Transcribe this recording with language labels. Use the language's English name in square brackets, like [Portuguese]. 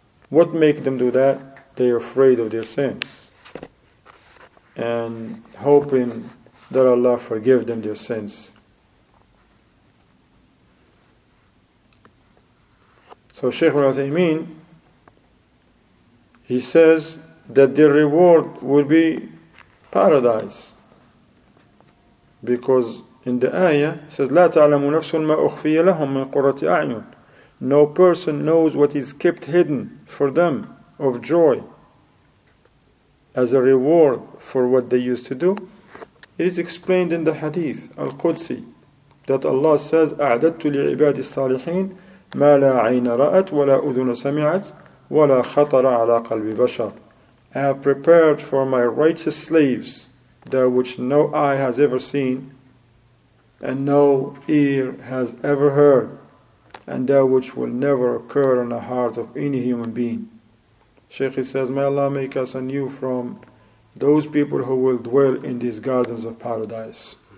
[English] What make them do that? They are afraid of their sins and hoping that Allah forgive them their sins. So Shaykh al-Uthaymeen, he says that their reward will be paradise. Because in the ayah, he says, [Arabic] لا تعلم نفس ما أخفي لهم من قرة أعين. [English] No person knows what is kept hidden for them of joy as a reward for what they used to do. It is explained in the hadith, Al-Qudsi, that Allah says, [Arabic] أعددت لعباد الصالحين ما لا عين رأت ولا أذن سمعت ولا خطر على قلب بشر. [English] I have prepared for my righteous slaves that which no eye has ever seen and no ear has ever heard and that which will never occur in the heart of any human being. Shaykh says, may Allah make us anew from those people who will dwell in these gardens of paradise.